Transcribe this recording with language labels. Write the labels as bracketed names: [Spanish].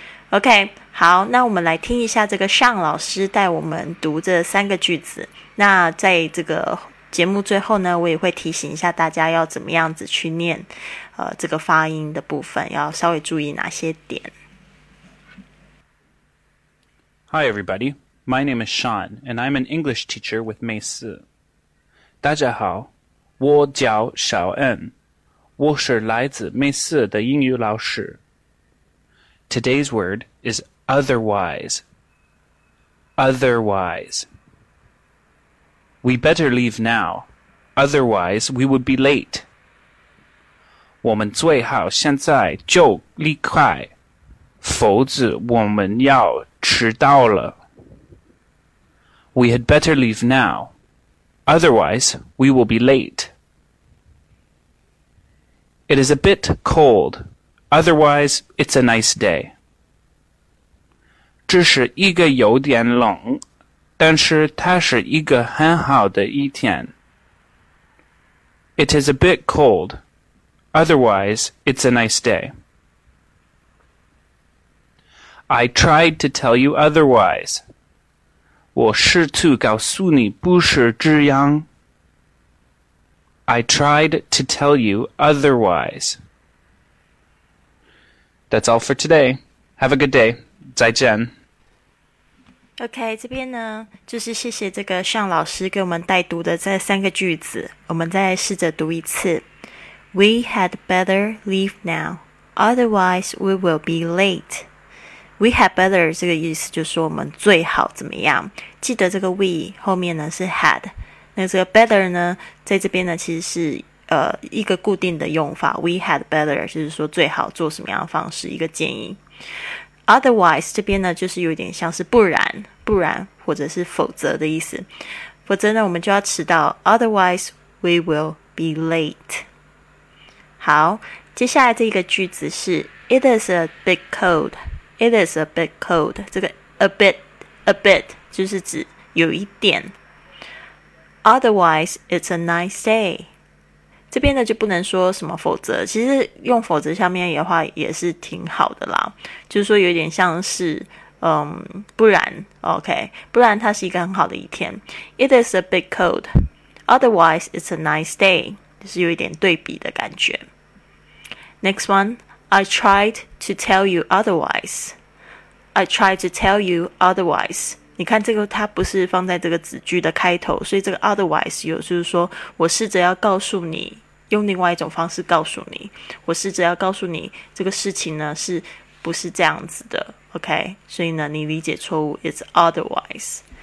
[Chinese] OK, 好，那我们来听一下这个尚老师带我们读这三个句子。那在这个节目最后呢，我也会提醒一下大家要怎么样子去念这个发音的部分，要稍微注意哪些点。 [English] Hi, everybody. My name is Sean, and I'm an English teacher with Mei Si. [Chinese] 大家好，我叫小恩，我是来自Mei Si的英语老师。 [English] Today's word is otherwise. Otherwise. We better leave now, otherwise we would be late. [Chinese] 我们最好现在就离开，否则我们要迟到了。 [English] We had better leave now. Otherwise, we will be late. It is a bit cold. Otherwise, it's a nice day. [Chinese] 这是一个有点冷，但是它是一个很好的一天。 [English] It is a bit cold. Otherwise, it's a nice day. I tried to tell you otherwise. [Chinese] 我试图告诉你不是这样。 [English] I tried to tell you otherwise. That's all for today. Have a good day. [Chinese] 再见。 OK, 这边呢，就是谢谢这个尚老师给我们带读的这三个句子。我们再试着读一次。 [English] We had better leave now. Otherwise, we will be late. We had better [Chinese] 这个意思就是说我们最好怎么样。记得这个 we 后面呢是 had。那这个 better 呢在这边呢其实是一个固定的用法。 [English] We had better [Chinese] 就是说最好做什么样的方式一个建议。 Otherwise 这边呢就是有点像是不然不然或者是否则的意思。否则呢我们就要迟到。 [English] Otherwise we will be late。 [Chinese] 好，接下来这个句子是 [English] It is a bit cold. It is a bit cold. [Chinese] 这个 a bit 就是指有一点。 [English] Otherwise, it's a nice day. [Chinese] 这边呢就不能说什么否则。其实用否则下面的话也是挺好的啦。就是说有点像是不然 ,OK, 不然它是一个很好的一天。 [English] It is a bit cold. Otherwise, it's a nice day. [Chinese] 就是有一点对比的感觉。 [English] Next one. I tried to tell you otherwise. I tried to tell you otherwise. [Chinese] 你看这个它不是放在这个子句的开头，所以这个 otherwise 有就是说我试着要告诉你，用另外一种方式告诉你，我试着要告诉你这个事情呢是不是这样子的。 OK, 所以呢你理解错误 , [English] it's otherwise.